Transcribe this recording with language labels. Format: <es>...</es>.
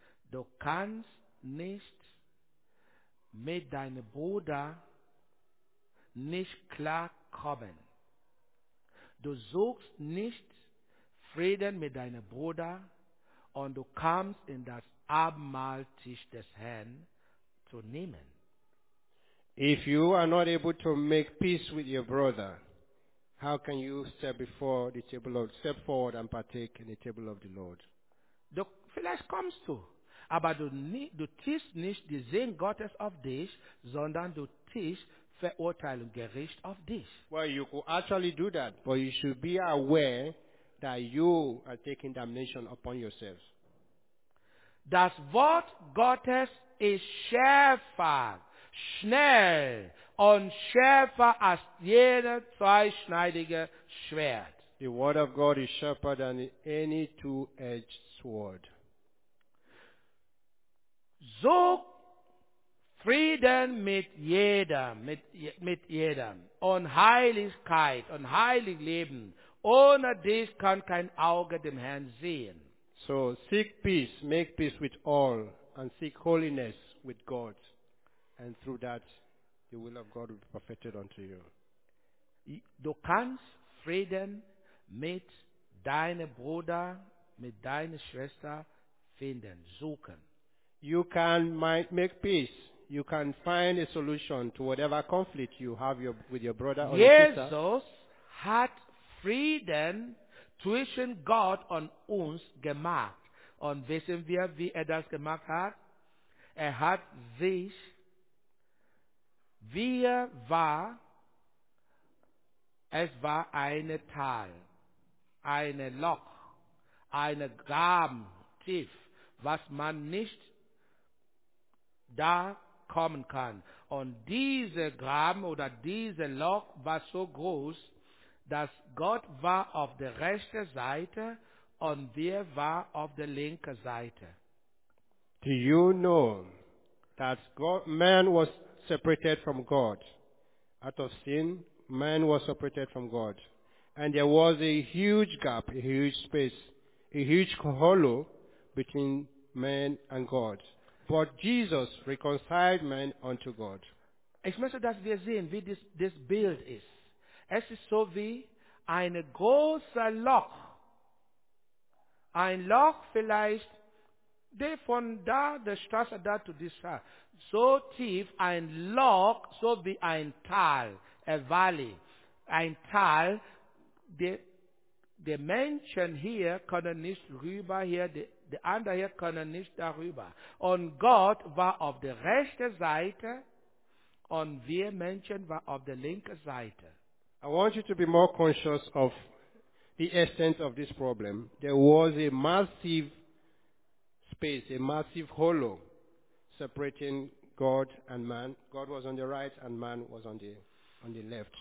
<de>Du kannst nicht mit deinem Bruder nicht klar kommen. Du suchst nicht Frieden mit deinem Bruder und du kommst in das Abendmahltisch des Herrn zu nehmen.</de> <en>If you are not able to make peace with your brother, how can you step forward and partake in the table of the Lord?</en> <de>Du vielleicht kommst du, aber du tischst nicht die Sinn Gottes auf dich, sondern du tischst Verurteilung und Gericht auf dich.</de> <en>Well, you could actually do that, but you should be aware that you are taking damnation upon yourself.</en> <de>Das Wort Gottes ist schärfer, schnell und schärfer als jede zweischneidige Schwert.</de> <en>The word of God is sharper than any two-edged sword.</en> <de>So Frieden mit jedem und Heiligkeit und heilig Leben. Ohne dies kann kein Auge dem Herrn sehen.</de> <en>So seek peace, make peace with all and seek holiness with God. And through that, the will of God will be perfected unto you.</en> <de>Du kannst Frieden mit deinem Bruder, mit deiner Schwester finden, suchen.</de> <en>You can make peace. You can find a solution to whatever conflict you have with your brother or</en> <de>Jesus</de> <en>your sister.</en> <de>Jesus hat Frieden zwischen Gott und uns gemacht. Und wissen wir, wie das gemacht hat? Hat sich, es war eine Tal, eine Loch, eine Graben tief, was man nicht da kommen kann. Und diese Graben oder diese Loch war so groß, dass Gott war auf der rechten Seite und wir waren auf der linken Seite.</de> <en>Do you know that God, man was separated from God? Out of sin, man was separated from God. And there was a huge gap, a huge space, a huge hollow between man and God. But Jesus reconciled man unto God.</en> <de>Ich möchte, dass wir sehen, wie das Bild ist. Es ist so wie ein großer Loch. Ein Loch vielleicht, der von da, der Straße da zu dieser Straße. So tief, ein Loch, so wie ein Tal,</de> <en>a valley.</en> <de>Ein Tal, die Menschen hier können nicht rüber, hier, die anderen hier können nicht darüber. Und Gott war auf der rechten Seite und wir Menschen waren auf der linken Seite.</de> <en>I want you to be more conscious of the essence of this problem. There was a massive space, a massive hollow separating God and man. God was on the right and man was on the left.</en>